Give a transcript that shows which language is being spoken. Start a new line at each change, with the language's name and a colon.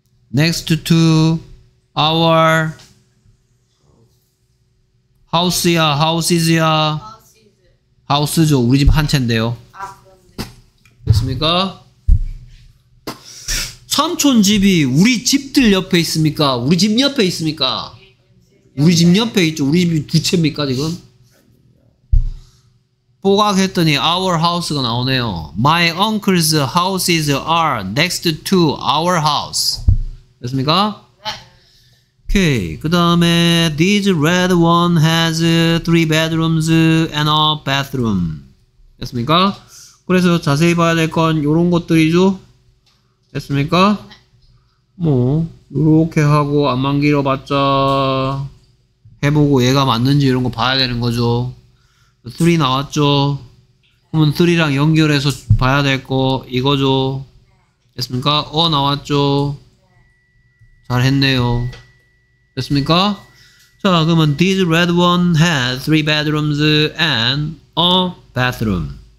English: Next to our house
Korean: 야 houses야 house죠. 우리 집 한 채인데요. 됐습니까? 삼촌 집이 우리 집들 옆에 있습니까? 우리 집 옆에 있습니까? 우리 집 옆에 있죠. 우리 집이 두 채입니까 지금? 뽀각했더니
English: our house
Korean: 가 나오네요.
English: My uncle's houses are next to our house.
Korean: 됐습니까? 오케이. 그 다음에
English: this red one has three bedrooms and a bathroom.
Korean: 됐습니까? 그래서 자세히 봐야 될 건 요런 것들이죠? 됐습니까? 뭐 요렇게 하고 안만 길어봤자 해보고 얘가 맞는지 이런 거 봐야 되는 거죠. 3 나왔죠? 그러면 3랑 연결해서 봐야 될 거 이거죠. 됐습니까? 어 나왔죠? 잘했네요. 됐습니까? 자, 그러면
English: this red one has three bedrooms and a bathroom.